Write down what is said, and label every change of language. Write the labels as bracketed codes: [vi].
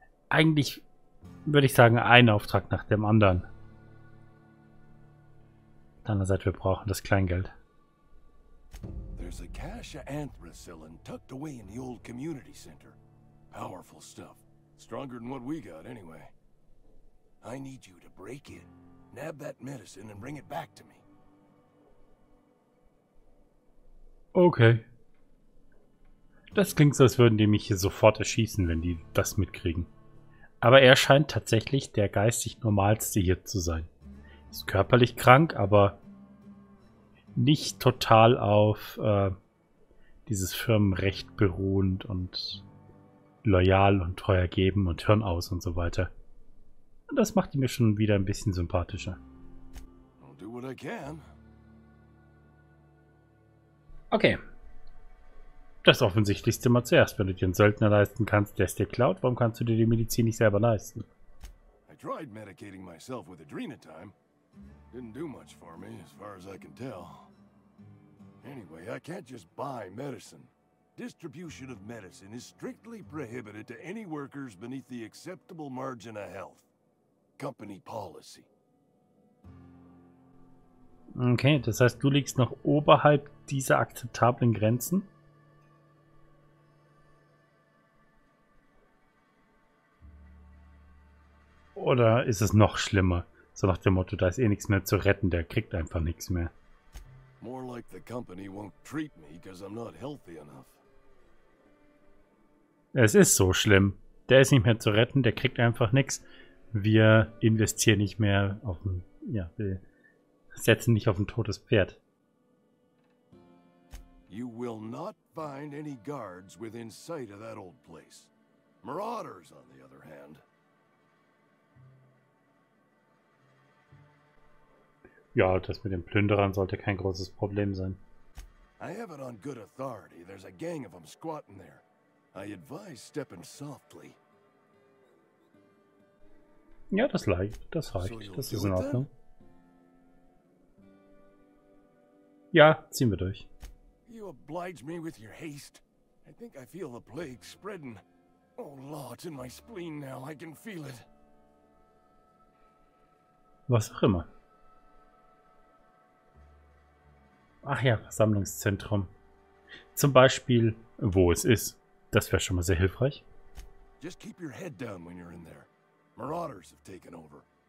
[de] Eigentlich würde ich sagen, ein Auftrag nach dem anderen. Andererseits, wir brauchen das Kleingeld. [en] There's a cache of anthracillin tucked away in the old community center. Powerful stuff. Stronger than what we got, anyway. I need you to break in, nab that medicine and bring it back to me. Okay. [de] Das klingt so, als würden die mich hier sofort erschießen, wenn die das mitkriegen. Aber er scheint tatsächlich der geistig Normalste hier zu sein. Ist körperlich krank, aber nicht total auf dieses Firmenrecht beruhend und loyal und treu ergeben und hören aus und so weiter. Und das macht ihn mir schon wieder ein bisschen sympathischer. [en] I'll do what I can. Okay. [de] Das Offensichtlichste mal zuerst. Wenn du dir einen Söldner leisten kannst, der es dir klaut, warum kannst du dir die Medizin nicht selber leisten? [en] I tried medicating myself with Adrenatime. Didn't do much for me, as far as I can tell. Anyway, I can't just buy medicine. Distribution of medicine is strictly prohibited to any workers beneath the acceptable margin of health. Company policy. [de] Okay, das heißt, du liegst noch oberhalb dieser akzeptablen Grenzen? Oder ist es noch schlimmer? So nach dem Motto, da ist eh nichts mehr zu retten, der kriegt einfach nichts mehr. [en] More like the company won't treat me, because I'm not healthy enough. [de] Es ist so schlimm. Der ist nicht mehr zu retten, der kriegt einfach nichts. Wir investieren nicht mehr auf ein, ja, wir setzen nicht auf ein totes Pferd. [en] You will not find any guards within sight of that old place. Marauders, on the other hand. [de] Ja, das mit den Plünderern sollte kein großes Problem sein. [en] I have it on good authority. There's a gang of them squatting there. I advise stepping softly. [de] Ja, das reicht. Das reicht. Das ist in Ordnung. Ja, ziehen wir durch. [en] You oblige me with your haste. I think I feel the plague spreading. Oh Lord, it's in my spleen now. I can feel it. [de] Was auch immer. Ach ja, Versammlungszentrum. Zum Beispiel, wo es ist. Das wäre schon mal sehr hilfreich. [en] Just keep your head down when you're in there. Marauders have taken over.